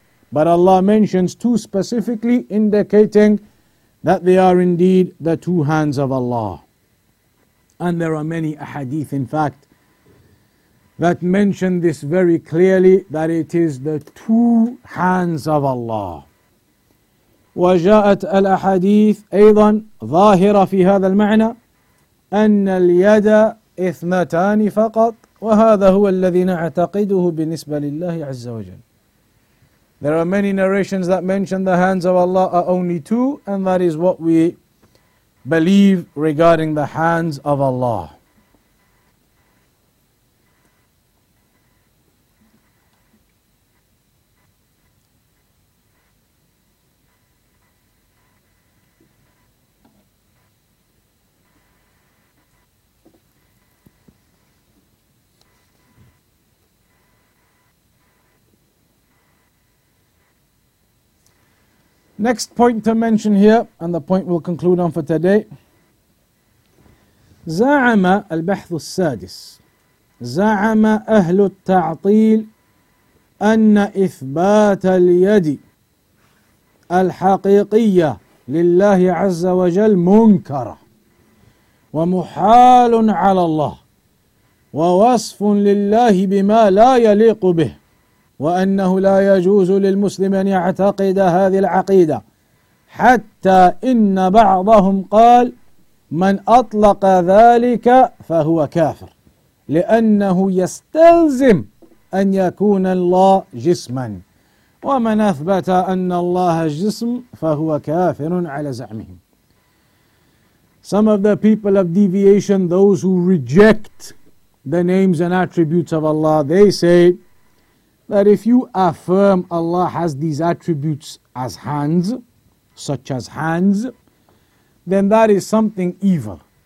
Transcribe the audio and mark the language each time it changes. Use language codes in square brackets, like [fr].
[en] But Allah mentions two specifically, indicating that they are indeed the two hands of Allah. And there are many ahadith, in fact, that mention this very clearly, that it is the two hands of Allah. [ar] وجاءت الأحاديث أيضا ظاهرة في هذا المعنى أن اليد إثنتان فقط وهذا هو الذي نعتقده بالنسبة لله عز وجل. [en] There are many narrations that mention the hands of Allah are only two, and that is what we believe regarding the hands of Allah. Next point to mention here, and the point we'll conclude on for today. [ar] زعم البحث السادس زعم أهل التعطيل أن إثبات اليد الحقيقية لله عز وجل منكرة ومحال على الله ووصف لله بما لا يليق به وأنه لا يجوز للمسلم أن يعتقد هذه العقيدة حتى إن بعضهم قال من أطلق ذلك فهو كافر لأنه يستلزم أن يكون الله جسما ومن أثبت أن الله جسم فهو كافر على زعمهم. [en] Some of the people of deviation, those who reject the names and attributes of Allah, they say that if you affirm Allah has these attributes as hands, such as hands, then that is something evil.